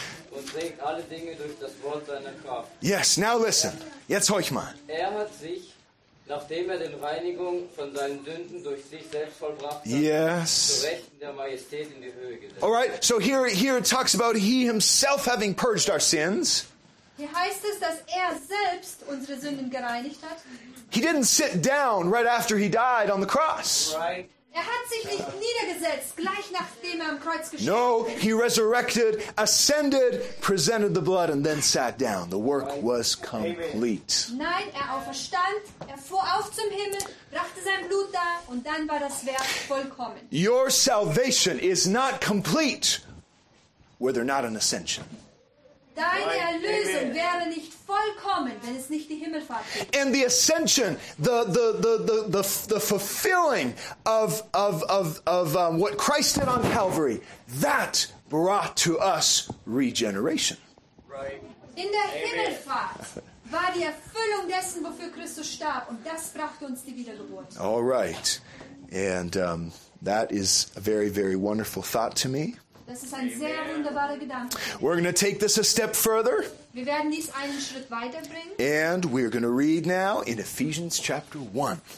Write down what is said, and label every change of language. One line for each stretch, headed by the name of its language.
German: Und trägt alle Dinge durch das Wort seiner Kraft.
English: Yes, now listen.
German: Jetzt horch mal. Er hat sich, nachdem er den Reinigung von seinen Sünden durch sich selbst vollbracht hat,
English: yes.
German: zu Rechten der Majestät in die Höhe gesetzt.
English: All right, so here it talks about he himself having purged our sins.
German: Hier heißt es, dass er selbst unsere Sünden gereinigt hat.
English: He didn't sit down right after he died on the cross. Right.
German: Er hat sich nicht niedergesetzt, gleich nachdem er am Kreuz gestorben ist.
English: No, he resurrected, ascended, presented the blood, and then sat down. The work was complete.
German: Nein, er auferstand, er fuhr auf zum Himmel, brachte sein Blut da, und dann war das Werk vollkommen.
English: Your salvation is not complete, were there not an ascension.
German: Deine Erlösung wäre nicht vollkommen, wenn es nicht die Himmelfahrt gibt.
English: And the ascension, the fulfilling of what Christ did on Calvary, that brought to us regeneration. Right.
German: In der Amen. Himmelfahrt war die Erfüllung dessen, wofür Christus starb, und das brachte uns die Wiedergeburt.
English: All right, and that is a very, very wonderful thought to me.
German: Das ist ein sehr wunderbarer Gedanke.
English: We're going to take this a step further.
German: Wir werden dies einen Schritt weiterbringen.
English: And we're going to read now in Ephesians chapter 1.